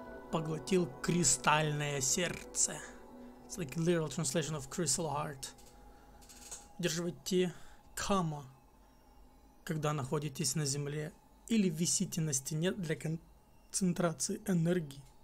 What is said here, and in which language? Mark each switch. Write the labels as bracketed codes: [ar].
[ru] Поглотил кристальное сердце. [en] It's like a literal translation of crystal heart. [ru] Удерживайте кама, когда находитесь на земле, или висите на стене для концентрации энергии.